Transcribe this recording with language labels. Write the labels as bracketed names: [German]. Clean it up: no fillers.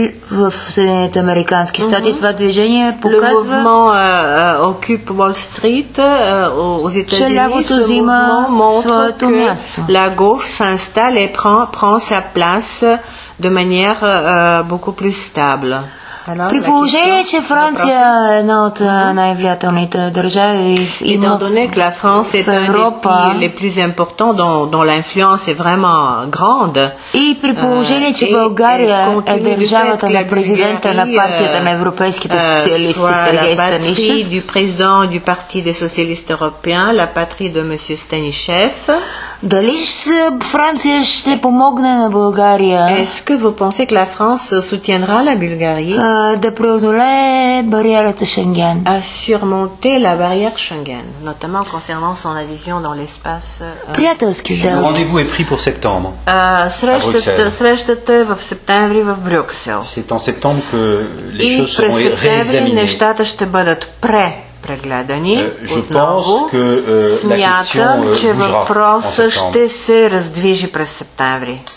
[Bulgarian] В Съединените американски щати това движение показва [French] Occupe Wall Street aux États-Unis, [Bulgarian] че лявото взима своето място. [French] La gauche s'installe et prend sa place de manière beaucoup plus stable. Alors, [Bulgarian] при положение, че Франция е една от най-влиятелните държави и [French] France est [Bulgarian] Европа, [French] les plus importants dont l'influence est vraiment grande. [Bulgarian] И при положение, че България е държавата на президента на партията на европейските социалисти Сергей Станишев, [French] la patrie du président du Parti des socialistes européens, la patrie de monsieur Станишев. [Bulgarian] Дали Франция ще помогне на България? [French] Est-ce que vous pensez que la France soutiendra la Bulgarie? [Bulgarian] Да преодолее бариерата Шенген. [French] À surmonter la barrière Schengen, notamment concernant son adhésion dans l'espace. [Bulgarian] Приятелски сделки. [French] Rendez-vous est pris pour septembre. [Bulgarian] Срещата е в септември в Брюксел. [French] C'est en septembre que les choses seront réexaminées. [Bulgarian] И през септември нещата ще бъдат пре. Прегледани отново, смятам, че въпросът ще се раздвижи през септември.